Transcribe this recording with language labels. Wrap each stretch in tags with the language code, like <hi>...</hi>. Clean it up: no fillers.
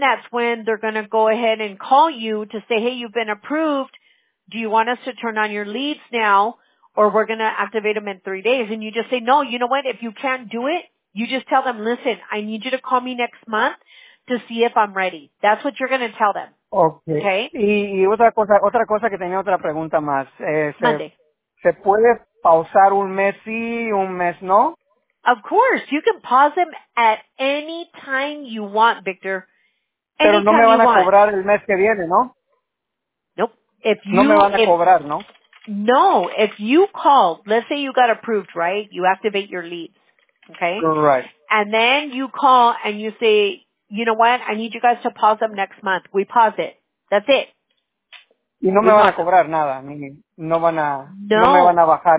<en>that's when they're going to go ahead and call you to say, hey, you've been approved. Do you want us to turn on your leads now, or we're going to activate them in 3 days? And you just say, no, you know what? If you can't do it, you just tell them, listen, I need you to call me next month to see if I'm ready. That's what you're going to tell them. Okay.</en> <es>Y otra cosa que tenía otra pregunta más.</es> <en>Monday.</en> <es>¿Se puede pausar un mes sí, un mes no?</es> <en>Of course. You can pause them at any time you want, Victor.</en> <es>Pero no me van a cobrar el mes que viene, ¿no?</es> <en>Nope.</en> <es>No me van a cobrar, ¿no?</es> <en>No. If you call, let's say you got approved, right? You activate your leads, okay? Right. And then you call and you say, you know what? I need you guys to pause them next month. We pause it. That's it.</en> <es>Y no me van a cobrar nada, no me van a bajar.</es>